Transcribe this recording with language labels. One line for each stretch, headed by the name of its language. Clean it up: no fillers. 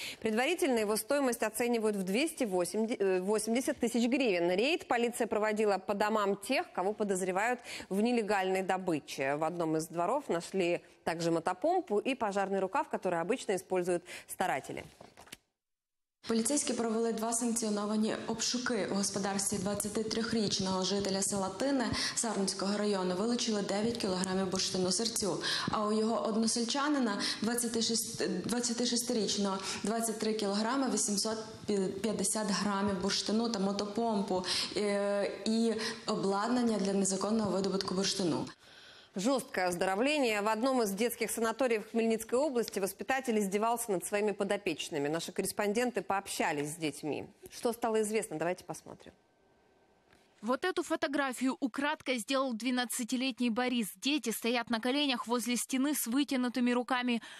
Russian: Предварительно его стоимость оценивают в 280 тысяч гривен. Рейд полиция проводила по домам тех, кого подозревают в нелегальной добыче. В одном из дворов нашли также мотопомпу и пожарный рукав, который обычно используют старатели.
Ukrainian: Поліцейські провели два санкціоновані обшуки. У господарстві 23-річного жителя села Тине Сарненського району вилучили 9 кілограмів бурштину сирцю. А у його односельчанина 26-річного 23 кілограми 850 грамів бурштину та мотопомпу і обладнання для незаконного видобутку бурштину.
Russian: Жесткое оздоровление. В одном из детских санаторий в Хмельницкой области воспитатель издевался над своими подопечными. Наши корреспонденты пообщались с детьми. Что стало известно? Давайте посмотрим. Вот эту фотографию украдкой сделал 12-летний Борис. Дети стоят на коленях возле стены с вытянутыми руками.